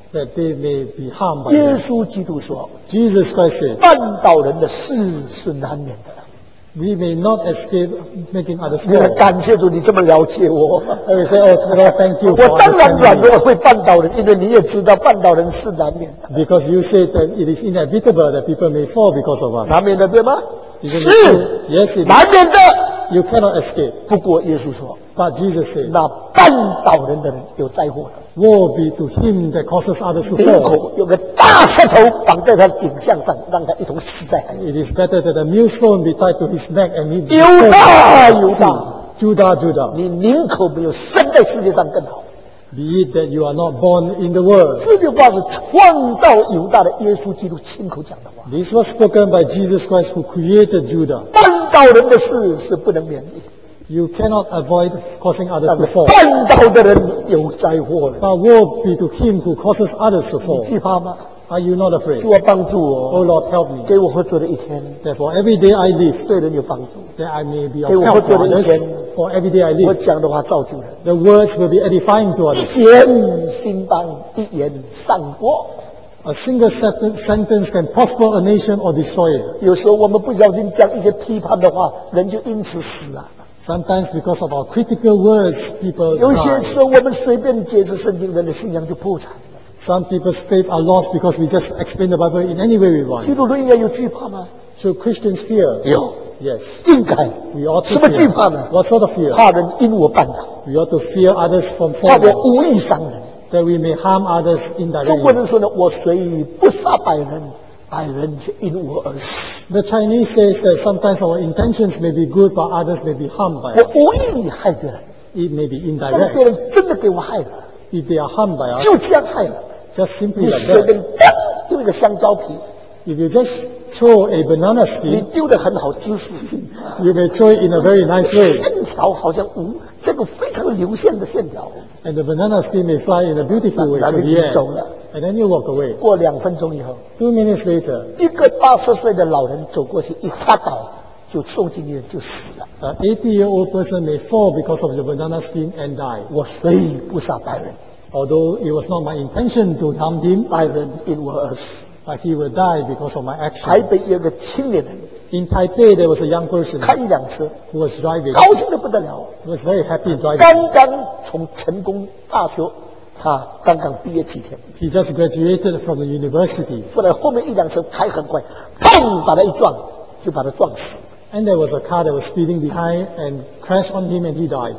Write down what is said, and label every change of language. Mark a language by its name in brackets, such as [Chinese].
[English] That they may be harmed by them. [Chinese] 耶稣基督说 [English] ，Jesus Christ said, [Chinese] 绊倒人的事是难免的。 [English] We may not escape making others fall. [Chinese] 感谢主，你这么了解我。 [English] We say, oh, Lord, thank you. [Chinese] 我当然软弱会绊倒人，因为你也知道绊倒人是难免。 [English] Because you say that it is inevitable that people may fall because of us. [Chinese] 难免的对吗？是 [English] ，Yes, [Chinese] 难免的。 [English] You cannot escape. [Chinese] 不过耶稣说 [English] ，But Jesus said, [Chinese] 那绊倒人的人有灾祸的。 [English] Woe be to him that causes others to fall. [Chinese] 口有个大石头绑在他的颈项上，让他一同死在海里。 [English] It is better that a millstone be tied to his neck and he be thrown into the sea. [Chinese] 犹大，犹大，犹大，你宁可没有生在世界上更好。 [English] Be it that you are not born in the world. [Chinese] 这句话是创造犹大的耶稣基督亲口讲的话。 [English] This was spoken by Jesus Christ who created Judah. [Chinese] 绊倒人的事是不能免的。 [English] You cannot avoid causing others to fall. [Chinese] 绊倒的人有灾祸了。 [English] But woe be to him who causes others to fall. [Chinese] 你惧怕吗？ [English] Are you not afraid? [Chinese] 主啊帮助我。 [English] Oh Lord, help me. [Chinese] 给我活着的一天。 [English] Therefore, every day I live. [Chinese] 对人有帮助。 [English] That I may be a help for others. For every day I live. [Chinese] 我讲的话造就人。 [English] The words will be edifying to others. [Chinese] 一言兴邦，一言丧国。 [English] A single sentence can prosper a nation or destroy it. [Chinese] 有时候我们不小心讲一些批判的话，人就因此死了。 [English] Sometimes because of our critical words, people die. Some people's faith are lost because we just explain the Bible in any way we want. [Chinese] 基督徒应该有惧怕吗？ [English] So Christians fear? [Chinese] 有。 [English] Yes. [Chinese] 应该。 [English] We ought to [Chinese] 什么惧怕呢？ [English] What sort of fear? [Chinese] 怕人因我绊倒。 [English] We ought to fear others from falling. [Chinese] 怕我无意伤人。 [English] That we may harm others indirectly. [Chinese] 中国人说呢，我虽不杀百人。百人却因我而死。 [English] The Chinese says that sometimes our intentions may be good, but others may be harmed by us. [Chinese] 我无意害别人。 [English] It may be indirect. [Chinese] 但别人真的给我害了。 [English] If they are harmed by us. [Chinese] 就这样害了。 [English] Just simply like that. [Chinese] 你随便掉丢一个香蕉皮。 [English] If you just throw a banana skin. [Chinese] 你丢得很好，姿势。 [English] You may throw it in a very nice way. [Chinese] 线条好像无，这个非常流线的线条。 [English] And the banana skin may fly in a beautiful way. [Chinese] 然后你走了。 [English] And then you walk away. [Chinese] 过两分钟以后 [English] ，Two minutes later， [Chinese] 一个八十岁的老人走过去，一滑倒，就受惊的人就死了。 [English] An 80-year-old person may fall because of your banana skin and die. [Chinese] 我虽不杀白人 [English] ，although it was not my intention to harm him， [Chinese] 白人 [English] it was， but he will die because of my action. [Chinese] 台北有个青年人 [English] ，In Taipei there was a young person， [Chinese] 开一辆车 [English] ，who was driving， [Chinese] 高兴得不得了 [English] ，he was very happy driving， [Chinese] 刚刚从成功大学。他刚刚毕业几天 [English] ，He just graduated from the university. [Chinese] 后来后面一辆车开很快，砰，把他一撞，就把他撞死。 [English] And there was a car that was speeding behind and crashed on him and he died.